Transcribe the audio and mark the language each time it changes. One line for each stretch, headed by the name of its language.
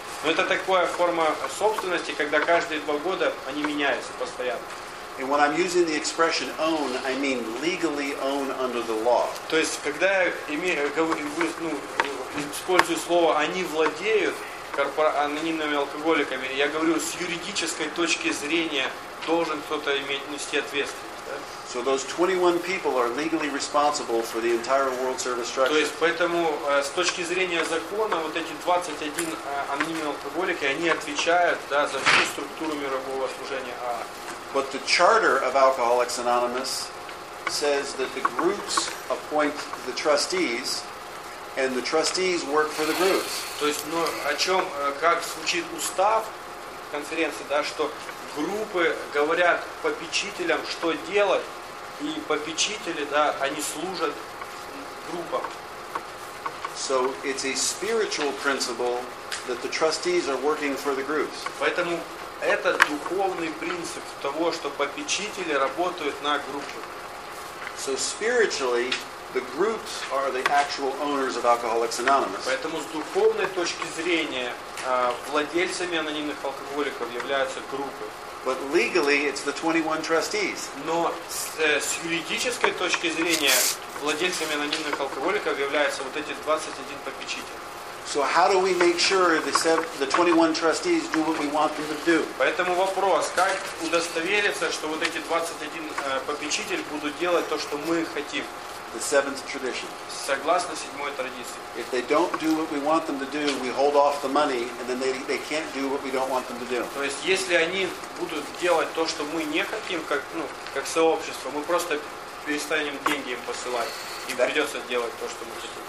Russian: Но это такая форма собственности, когда каждые 2 года они меняются постоянно.
English: And when I'm using the expression own, I mean legally own under the law.
Russian: То есть когда я имею, ну, использую слово они владеют анонимными алкоголиками, я говорю с юридической точки зрения должен кто-то иметь нести ответственность, да?
English: So those 21 people are legally responsible for the entire world service structure.
Russian: То есть поэтому с точки зрения закона вот эти 21 анонимные алкоголики, они отвечают, да, за всю структуру мирового служения АА.
English: But the charter of Alcoholics Anonymous says that the groups appoint the trustees, and the trustees work for the groups.
Russian: То есть, ну, о чем, как звучит устав конференции, да, что группы говорят попечителям, что делать, и попечители, да, они служат группам.
English: So it's a spiritual principle that the trustees are working for the groups.
Russian: Поэтому это духовный принцип того, что попечители работают на группу.
English: So spiritually, the groups are the actual owners of Alcoholics Anonymous.
Russian: Поэтому с духовной точки зрения владельцами анонимных алкоголиков являются группы.
English: But legally, it's the 21 trustees.
Russian: Но с юридической точки зрения владельцами анонимных алкоголиков являются вот эти 21 попечитель.
English: So how do we make sure the 21 trustees do what we want them to do?
Russian: Поэтому вопрос, как удостовериться, что вот эти 21 попечитель будут делать то, что мы хотим?
English: The seventh tradition.
Russian: Согласно седьмой традиции.
English: If they don't do what we want them to do, we hold off the money, and then they can't do what we don't want them to do.
Russian: То есть если они будут делать то, что мы не хотим, как, ну, как сообщество, мы просто перестанем деньги им посылать. И придется делать то, что мы хотим.